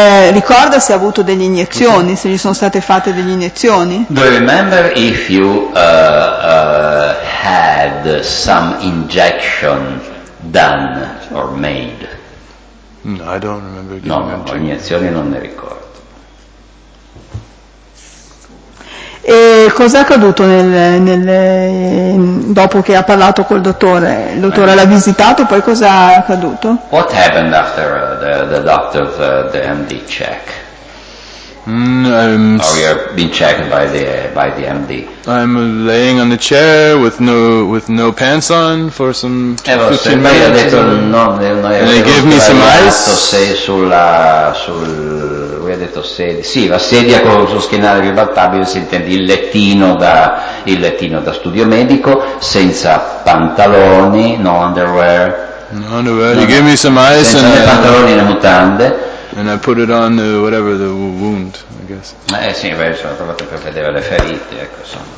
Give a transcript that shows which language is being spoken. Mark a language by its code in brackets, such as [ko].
[it] Ricorda se ha avuto delle iniezioni, se gli sono state fatte delle iniezioni? [en] Do you remember if you had some injection done or made? No, I don't remember getting [it] injection. No, iniezioni non ne ricordo. E cosa è accaduto dopo che ha parlato col dottore? Il dottore l'ha visitato, poi cosa è accaduto? [en] What happened after the doctor the MD check? Or you're being checked by the MD? I'm laying on the chair with no pants on for some 15 minutes. [it] Ha detto no, [en] and they gave me some ice. [it] La sedia con lo schienale ribaltabile, si intende il lettino da studio medico, senza pantaloni, [en] no underwear. He gave me some ice [it] senza [en] and [it] pantaloni e mutande. [en] And I put it on the wound, I guess. [it] Sono provato per vedere le ferite, ecco, insomma.